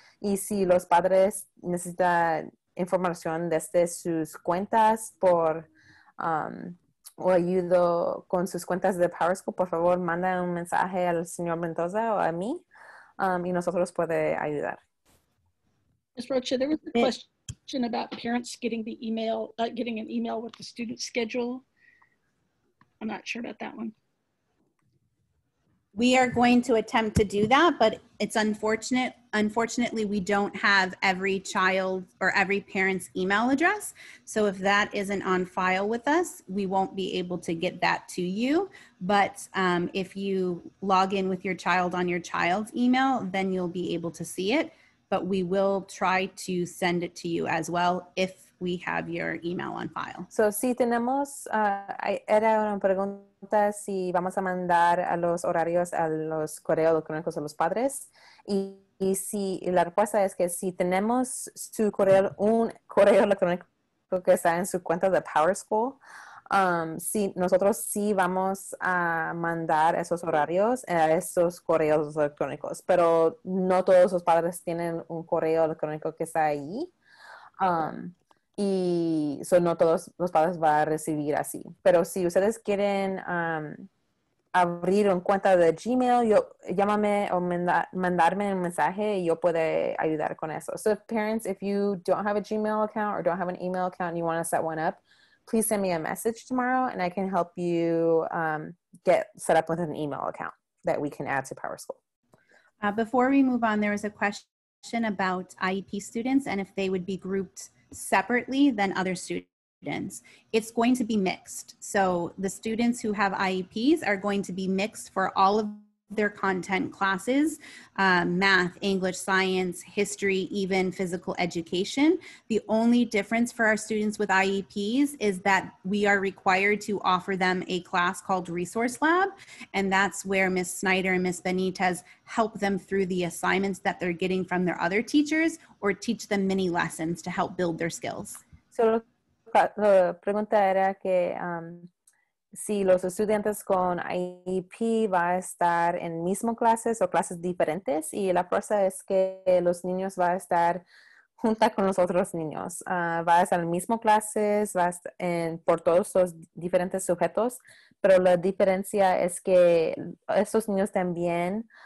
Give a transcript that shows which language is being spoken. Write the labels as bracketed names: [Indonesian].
[Spanish] Y si los padres necesitan información desde sus cuentas por... o ayudo con sus cuentas de PowerSchool, por favor, manda un mensaje al señor Mendoza o a mí y nosotros puede ayudar. [English] Ms. Rocha, there was a question about parents getting the email, getting an email with the student schedule. I'm not sure about that one. We are going to attempt to do that, but it's unfortunate. Unfortunately, we don't have every child or every parent's email address. So if that isn't on file with us, we won't be able to get that to you. But if you log in with your child on your child's email, then you'll be able to see it. But we will try to send it to you as well if we have your email on file. [Spanish] So si tenemos, era una pregunta. Si vamos a mandar a los horarios a los correos electrónicos de los padres y si la respuesta es que si tenemos su correo electrónico que está en su cuenta de PowerSchool, si nosotros sí vamos a mandar esos horarios a esos correos electrónicos, pero no todos los padres tienen un correo electrónico que está ahí y so no todos los padres van a recibir así. Pero si ustedes quieren abrir una cuenta de Gmail, llámame o mandarme un mensaje y yo puedo ayudar con eso. [English] So if parents, if you don't have a Gmail account or don't have an email account and you want to set one up, please send me a message tomorrow and I can help you get set up with an email account that we can add to PowerSchool. Before we move on, there was a question about IEP students and if they would be grouped separately than other students. It's going to be mixed. So the students who have IEPs are going to be mixed for all of their content classes, math, English, science, history, even physical education. The only difference for our students with IEPs is that we are required to offer them a class called Resource Lab. And that's where Ms. Snyder and Ms. Benitez help them through the assignments that they're getting from their other teachers or teach them mini lessons to help build their skills. So the [Spanish] pregunta era que, si los estudiantes con IEP va a estar en mismo clases o clases diferentes y la cosa es que los niños va a estar junta con los otros niños. Va a estar en mismo clases, va a estar por todos los diferentes sujetos, pero la diferencia es que estos niños también